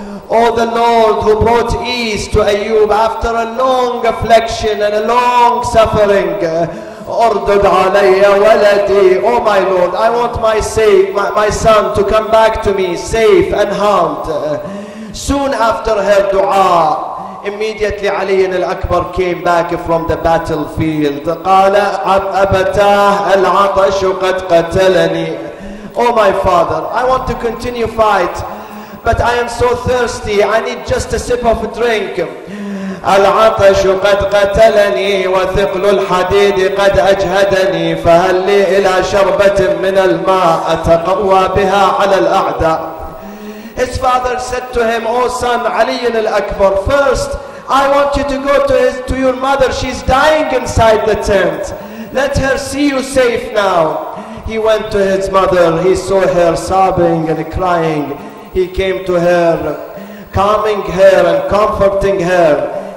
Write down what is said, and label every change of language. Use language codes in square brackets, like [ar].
[en] Oh, the Lord who brought ease to Ayyub after a long affliction and a long suffering. [ar] أردد علي ولدي. [en] Oh my Lord, I want my son to come back to me safe and harmed. Soon after her dua, immediately Ali al-Akbar came back from the battlefield. [ar] قال أبتاه العطش قد قتلني. [en] Oh my father, I want to continue fight, but I am so thirsty, I need just a sip of a drink. [ar] العطش قد قتلني وثقل الحديد قد أجهدني فهل لي إلى شربة من الماء أتقوى بها على الأعداء. [en] His father said to him, Oh son, Ali al-Akbar, first I want you to go to your mother. She's dying inside the tent. Let her see you safe now. He went to his mother. He saw her sobbing and crying. He came to her, calming her and comforting her.